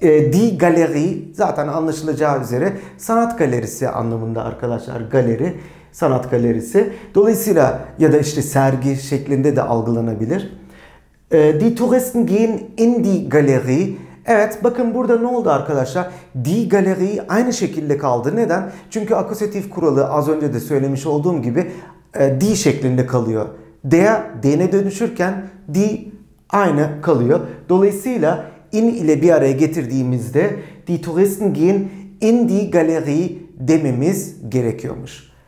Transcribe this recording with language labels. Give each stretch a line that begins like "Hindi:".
Turkish: Die Galerie, zaten anlaşılacağı üzere sanat galerisi anlamında arkadaşlar, galeri, sanat galerisi. Dolayısıyla ya da işte sergi şeklinde de algılanabilir.
German: Die Touristen gehen in die Galerie.
Turkish: Evet, bakın burada ne oldu arkadaşlar? Die Galerie aynı şekilde kaldı. Neden? Çünkü akusatif kuralı az önce de söylemiş olduğum gibi die şeklinde kalıyor. Der, den'e dönüşürken die aynı kalıyor. Dolayısıyla in ile bir araya getirdiğimizde
German: die Touristen gehen in die Galerie
Turkish: dememiz gerekiyormuş.